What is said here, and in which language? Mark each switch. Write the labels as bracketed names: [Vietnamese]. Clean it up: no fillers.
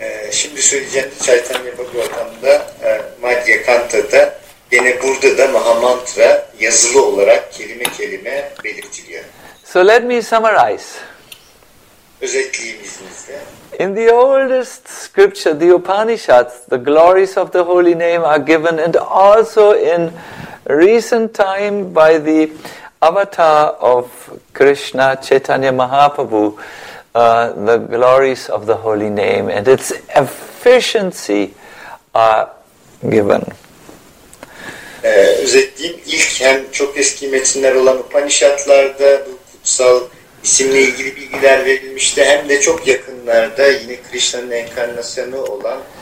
[Turkish] Şimdi söyleyeceğim Chaitanya Bhagavatam'da Madhya Kanta'da yine burada da Maha Mantra yazılı olarak kelime kelime belirtiliyor. [English] So let me summarize. [Turkish] Özetleyeyim izninizle. [English] In the oldest scripture, the Upanishads, the glories of the holy name are given and also in recent time by the avatar of Krishna, Chaitanya Mahaprabhu, the glories of the holy name and its efficiency are given. [Turkish] Özetleyeyim, ilk hem çok eski metinler olan Upanishad'larda bu kutsal isimle ilgili bilgiler verilmişti hem de çok yakınlarda yine Krishna'nın enkarnasyonu olan